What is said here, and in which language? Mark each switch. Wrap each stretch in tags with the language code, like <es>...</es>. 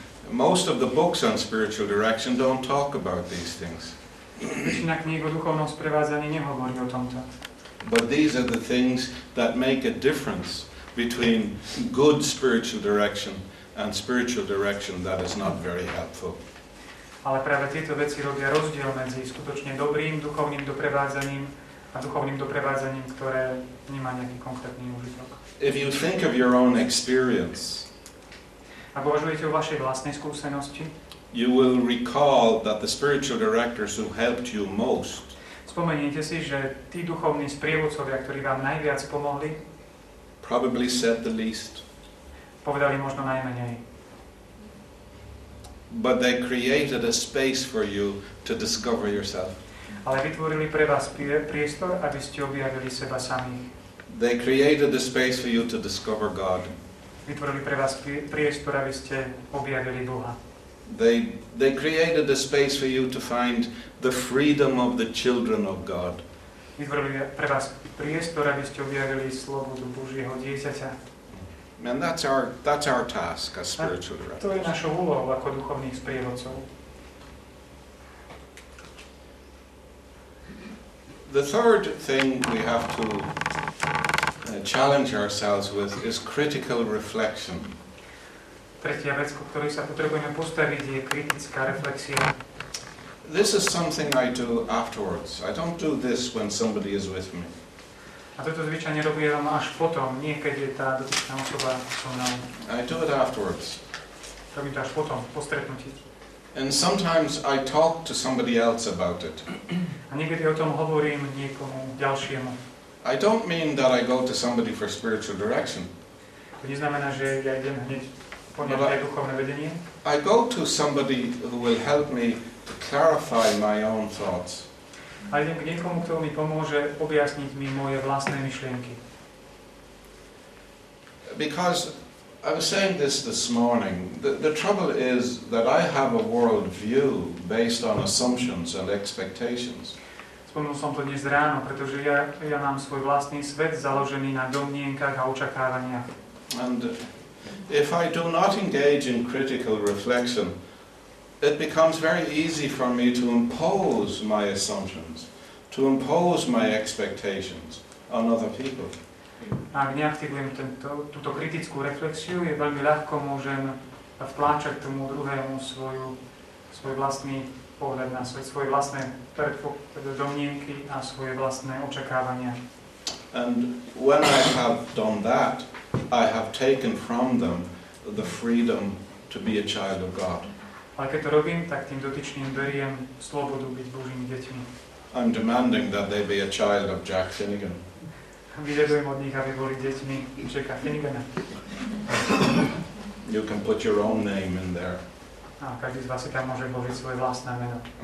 <en>Most of the books on spiritual direction don't talk about these things.</en> <sk>Väčšina kníh o duchovnom sprevádzaní nehovorí o tomto.</sk> <en>But these are the things that make a difference between good spiritual direction and spiritual direction that is not very helpful.</en> <sk>Ale práve tieto veci robia rozdiel medzi skutočne dobrým duchovným doprevádzaním a duchovným doprevádzaním, ktoré nemá nejaký konkrétny užitok.</sk> <en>If you think of your own experience,</en> <sk>ak uvažujete o vašej vlastnej skúsenosti,</sk> <en>you will recall that the spiritual directors who helped you most,</en> <sk>spomeniete si, že tí duchovní sprievodcovia, ktorí vám najviac pomohli,</sk> <en>probably said the least,</en> <sk>povedali možno najmenej.</sk> <en>But they created a space for you to discover yourself.</en> <sk>Ale vytvorili pre vás priestor, aby ste objavili seba samých.</sk> <en>They created a space for you to discover God.</en> <sk>Vytvorili pre vás priestor, aby ste objavili Boha.</sk> <en>They created a space for you to find the freedom of the children of God.</en> <sk>Vytvorili pre vás priestor, aby ste objavili slobodu Božieho dieťaťa.</sk> <en>And that's our task as spiritual directors.</en> <sk>To je našou úlohou ako duchovných sprievodcov.</sk> <en>The third thing we have to challenge ourselves with is critical reflection.</en> <sk>Tretia vec, ku ktorej sa potrebujeme postaviť, je kritická reflexia.</sk> <en>This is something I do afterwards. I don't do this when somebody is with me.</en> <sk>A toto zvyčajne robím až potom, nie keď je tá dotyčná osoba so mnou.</sk> <en>I do it afterwards.</en> <sk>Robím to až potom, po stretnutí.</sk> <en>And sometimes I talk to somebody else about it.</en> <sk>A niekedy o tom hovorím niekomu ďalšiemu.</sk> <en>I don't mean that I go to somebody for spiritual direction.</en> <sk>To neznamená, že ja idem hneď po nejaké duchovné vedenie.</sk> <en>I go to somebody who will help me to clarify my own thoughts.</en> <sk>A idem k niekomu, kto mi pomôže objasniť mi moje vlastné myšlienky.</sk> <en>Because I was saying this morning, the trouble is that I have a world view based on assumptions and expectations.</en> <sk>Spomenul som to dnes ráno, pretože ja mám svoj vlastný svet založený na domnienkach a očakávaniach.</sk> <en>And if I do not engage in critical reflection, it becomes very easy for me to impose my assumptions, to impose my expectations on other people.</en> <sk>Ak neaktivujem túto kritickú reflexiu, je veľmi ľahko môžem vtláčať tomu druhému svoj vlastný pohľad na svet, svoje vlastné domnienky a svoje vlastné očakávania.</sk> <en>And when I have done that, I have taken from them the freedom to be a child of God.</en> <sk>Ale keď to robím, tak tým dotyčným beriem slobodu byť Božími deťmi.</sk> <en>I'm demanding that they be a child of Jack Finnegan.</en> <sk>Vyžadujem od nich, aby boli deťmi Jacka Finnegana.</sk> <en>You can put your own name in there.</en> <sk>A každý z vás si tam môže vložiť svoje vlastné meno.</sk>